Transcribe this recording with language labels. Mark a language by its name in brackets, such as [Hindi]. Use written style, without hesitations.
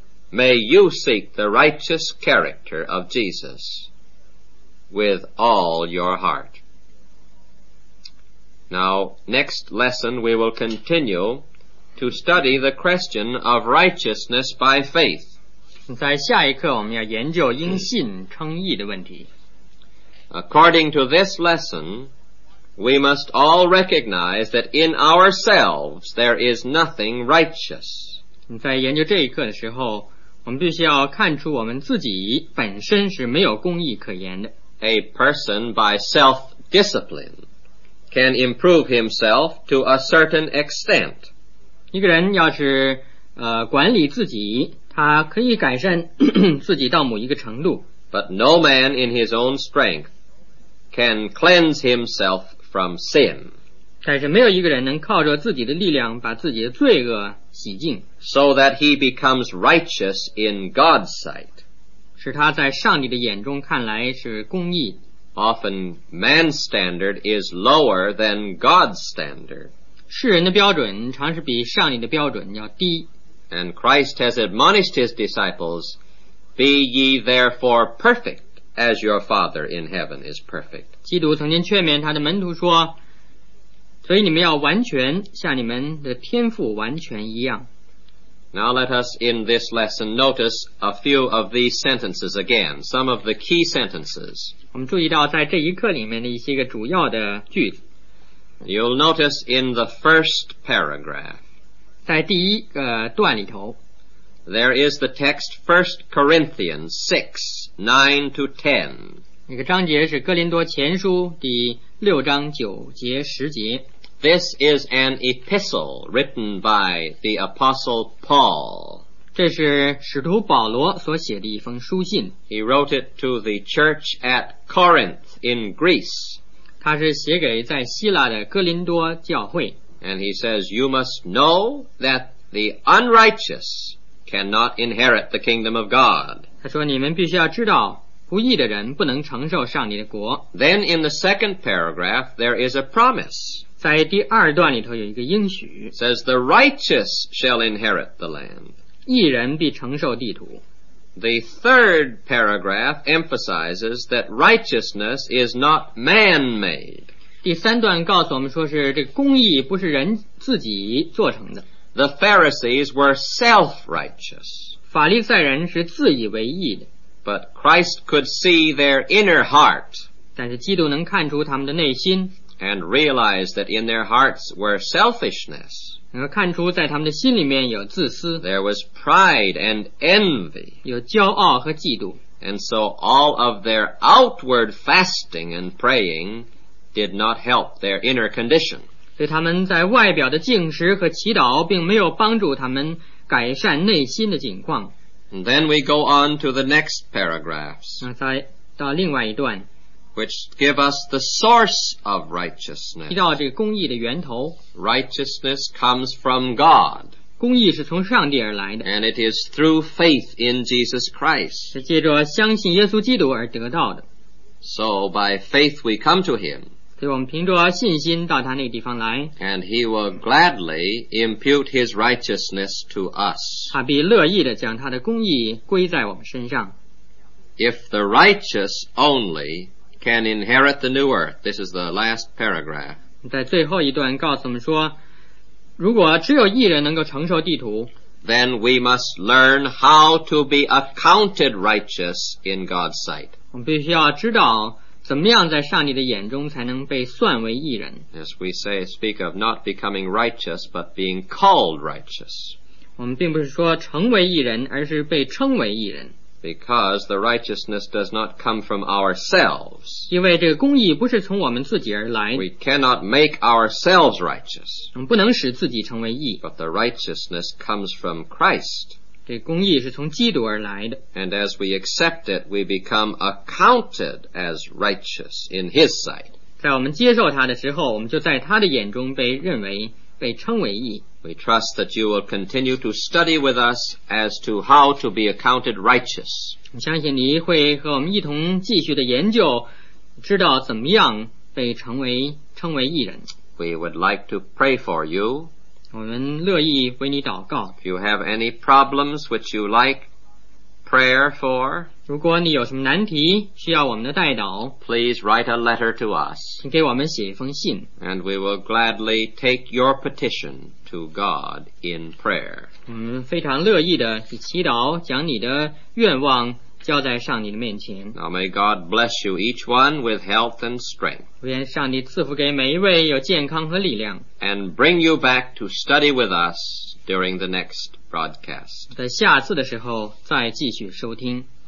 [English] May you seek the righteous character of Jesus with all your heart. Now, next lesson we will continue to study the question of righteousness by faith. [Chinese] 在下一课我们要研究因信称义的问题。 [English] According to this lesson, we must all recognize that in ourselves there is nothing righteous. [Chinese] 在研究这一课的时候, 我们必须要看出我们自己本身是没有公义可言的。 [English] A person by self-discipline can improve himself to a certain extent. [Chinese] 一个人要是管理自己，他可以改善自己到某一个程度。 [English] But no man in his own strength can cleanse himself from sin. [Chinese] 但是没有一个人能靠着自己的力量把自己的罪恶洗净。 [English] So that he becomes righteous in God's sight. [Chinese] 使他在上帝的眼中看来是公义。 [English] Often man's standard is lower than God's standard. [Chinese] 世人的标准常是比上帝的标准要低。 [English] And Christ has admonished his disciples,Be ye therefore perfect, as your Father in heaven is perfect. [Chinese] 基督曾经劝勉他的门徒说，所以你们要完全，像你们的天父完全一样。 [English] Now let us in this lesson notice a few of these sentences again, some of the key sentences. [Chinese] 我们注意到在这一课里面的一些个主要的句子。 [English] You'll notice in the first paragraph. [Chinese] 在第一个段里头。 [English] There is the text 1 Corinthians 6, 9 to 10. [Chinese] 那个章节是哥林多前书第六章九节十节。 [English] This is an epistle written by the Apostle Paul. [Chinese] 这是使徒保罗所写的一封书信。 [English] He wrote it to the church at Corinth in Greece. [Chinese] 他是写给在希腊的哥林多教会。 [English] And he says, You must know that the unrighteous... cannot inherit the kingdom of God. [Chinese] 他说你们必须要知道不义的人不能承受上帝的国。 [English] Then in the second paragraph, there is a promise. [Chinese] 在第二段里头有一个应许。 [English] Says the righteous shall inherit the land. [Chinese] 义人必承受地土。 [English] The third paragraph emphasizes that righteousness is not man-made. [Chinese] 第三段告诉我们说是这公义不是人自己做成的。 [English] The Pharisees were self-righteous. [Chinese] 法利赛人是自以为义的。 [English] But Christ could see their inner heart. [Chinese] 但是基督能看出他们的内心。 [English] And realize that in their hearts were selfishness. [Chinese] 能看出在他们的心里面有自私。 [English] There was pride and envy. [Chinese] 有骄傲和嫉妒。 [English] And so all of their outward fasting and praying did not help their inner condition. [Chinese] 所以他们在外表的禁食和祈祷并没有帮助他们改善内心的境况。 [English] And then we go on to the next paragraphs. [Chinese] 那再到另外一段。 [English] Which give us the source of righteousness. [Chinese] 提到这个公义的源头。 [English] Righteousness comes from God. [Chinese] 公义是从上帝而来的。 [English] And it is through faith in Jesus Christ. [Chinese] 是借着相信耶稣基督而得到的。 [English] So by faith we come to him. [Chinese] 所以我们凭着信心到他那个地方来 [English] And he will gladly impute his righteousness to us [Chinese] 他必乐意地将他的公义归在我们身上 [English] If the righteous only can inherit the new earth This is the last paragraph [Chinese] 在最后一段告诉我们说如果只有义人能够承受地土 [English] Then we must learn how to be accounted righteous in God's sight [Chinese] 我们必须要知道怎么样在上帝的眼中才能被算为义人 [English] As we say, speak of not becoming righteous, but being called righteous. [Chinese] 我们并不是说成为义人，而是被称为义人。 [English] Because the righteousness does not come from ourselves. [Chinese] 因为这个公义不是从我们自己而来。 [English] We cannot make ourselves righteous. [Chinese] 我们不能使自己成为义。 [English] But the righteousness comes from Christ. [Chinese] 这公义是从基督而来的。 [English] And as we accept it, we become accounted as righteous in His sight. [Chinese] 在我们接受他的时候，我们就在他的眼中被认为、被称为义。 [English] We trust that you will continue to study with us as to how to be accounted righteous. [Chinese] 我相信你会和我们一同继续的研究，知道怎么样被称为义人。 [English] We would like to pray for you. [Chinese] 我们乐意为你祷告。 [English] If you have any problems which you like prayer for, [Chinese] 如果你有什么难题需要我们的代祷 [English] please write a letter to us. [Chinese] 请给我们写一封信。 [English] And we will gladly take your petition to God in prayer. [Chinese] 我们非常乐意的去祈祷将你的愿望交在上帝的面前。 [English] Now may God bless you each one with health and strength. [Chinese] 愿上帝赐福给每一位有健康和力量。 [English] And bring you back to study with us during the next broadcast. [Chinese] 在下次的时候再继续收听。